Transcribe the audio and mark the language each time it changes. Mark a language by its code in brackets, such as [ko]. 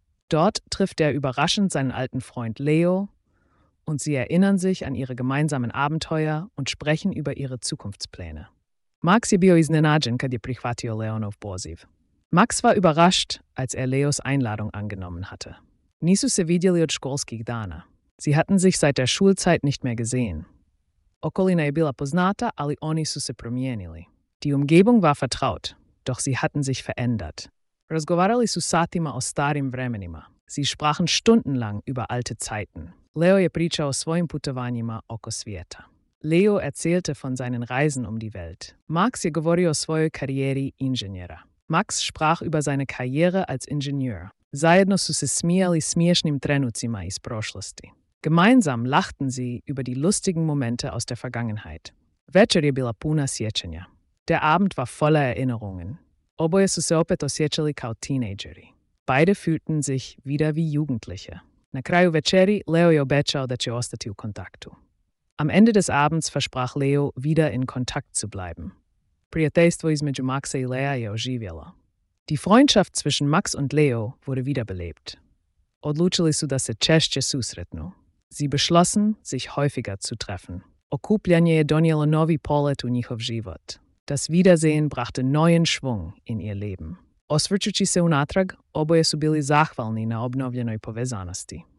[de] Dort trifft überraschend seinen alten Freund Leo und sie erinnern sich an ihre gemeinsamen Abenteuer und sprechen über ihre Zukunftspläne. [hr] Max je bio iznenađen kad je prihvatio Leonov poziv. [de] Max war überrascht, als Leos Einladung angenommen hatte. [hr] Nisu se vidjeli od školskih dana. [de] Sie hatten sich seit der Schulzeit nicht mehr gesehen. [hr] Okolina je bila poznata, ali oni su se promijenili. [de] Die Umgebung war vertraut, doch sie hatten sich verändert. [hr] Razgovarali su satima o starim vremenima. [de] Sie sprachen stundenlang über alte Zeiten. [hr] Leo je pričao o svojim putovanjima oko svijeta. [de] Leo erzählte von seinen Reisen um die Welt. [hr] Max je govorio svoje karieri inženjera. [de] Max sprach über seine Karriere als Ingenieur. [hr] Zajedno su se smijali smiješnim trenucima iz prošlosti. [de] Gemeinsam lachten sie über die lustigen Momente aus der Vergangenheit. [hr] Večer je bila puna sjećanja. [de] Der Abend war voller Erinnerungen. [hr] Oboje su se opet osjećali kao teenageri. [de] Beide fühlten sich wieder wie Jugendliche. [hr] Na kraju večeri, Leo je obećao da će ostati u kontaktu. [de] Am Ende des Abends versprach Leo, wieder in Kontakt zu bleiben. [hr] Prijateljstvo između Maxa i Lea je oživjelo. [de] Die Freundschaft zwischen Max und Leo wurde wiederbelebt. [hr] Odlučili su da se češće susretnu. [de] Sie beschlossen, sich häufiger zu treffen. [hr] Okupljanje je donijelo novi polet u njihov život. [de] Das Wiedersehen brachte neuen Schwung in ihr Leben. [hr] Osvrćući se unatrag, oboje su bili zahvalni na obnovljenoj povezanosti.